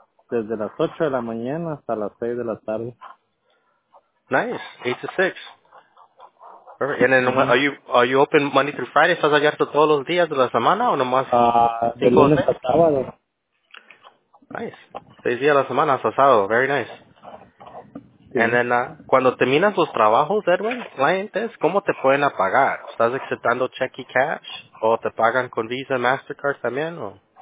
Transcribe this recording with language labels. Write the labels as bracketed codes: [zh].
[es] Desde las 8 de la mañana hasta las 6 de la tarde. [en] Nice, 8 to 6. Perfect. And then, are you open Monday through Friday? [es] ¿Estás abierto todos los días de la semana o nomás? De lunes a sábado. Nice, 6 días a la semana hasta sábado, [en] very nice. [es] Y cuando terminas los trabajos, Edwin, clientes, ¿cómo te pueden pagar? ¿Estás aceptando check y cash? ¿O te pagan con Visa, Mastercard también? ¿O?